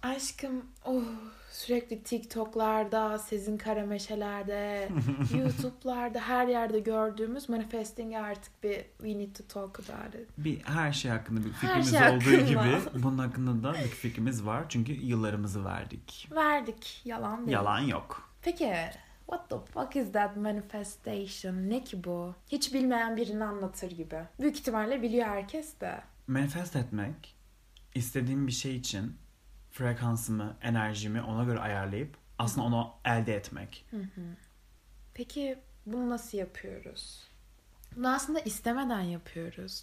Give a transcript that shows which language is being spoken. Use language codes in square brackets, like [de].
[tr] Aşkım, oh, sürekli TikTok'larda, sizin karameşelerde, YouTube'larda, her yerde gördüğümüz Manifesting'i artık bir [en] we need to talk about it. [tr] Bir her şey hakkında bir fikrimiz şey olduğu hakkında. Gibi bunun hakkında da bir fikrimiz var. Çünkü yıllarımızı verdik. Verdik. Yalan değil. Yalan yok. Peki, [en] what the fuck is that manifestation? [tr] Ne ki bu? Hiç bilmeyen birini anlatır gibi. Büyük ihtimalle biliyor herkes de. Manifest etmek, istediğim bir şey için frekansımı, enerjimi ona göre ayarlayıp aslında onu elde etmek. Peki bunu nasıl yapıyoruz? Bunu aslında istemeden yapıyoruz.